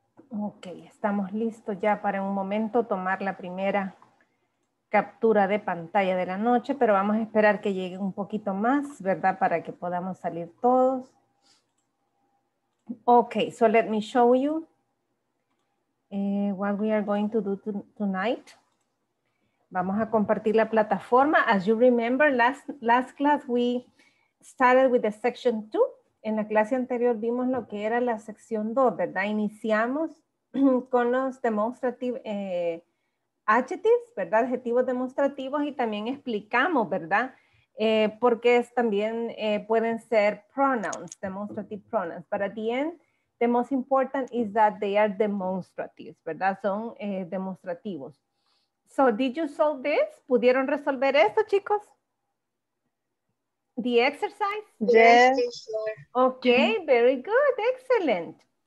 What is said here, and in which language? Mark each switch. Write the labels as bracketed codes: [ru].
[es] Ok, estamos listos ya para un momento tomar la primera captura de pantalla de la noche, pero vamos a esperar que llegue un poquito más, ¿verdad? Para que podamos salir todos. [en] Ok, so let me show you what we are going to do tonight. [es] Vamos a compartir la plataforma. [en] As you remember, last class we started with the section 2. [es] En la clase anterior vimos lo que era la sección 2, ¿verdad? Iniciamos con los demonstrative adjectives, ¿verdad? Adjetivos demostrativos y también explicamos, ¿verdad? Porque es, también pueden ser pronouns, demonstrative pronouns. [en] But at the end, the most important is that they are demonstratives, ¿verdad? [es] Son demostrativos. [en] So, did you solve this? [es] ¿Pudieron resolver esto, chicos? [en] The exercise? Yes. Okay, very good. Excellent.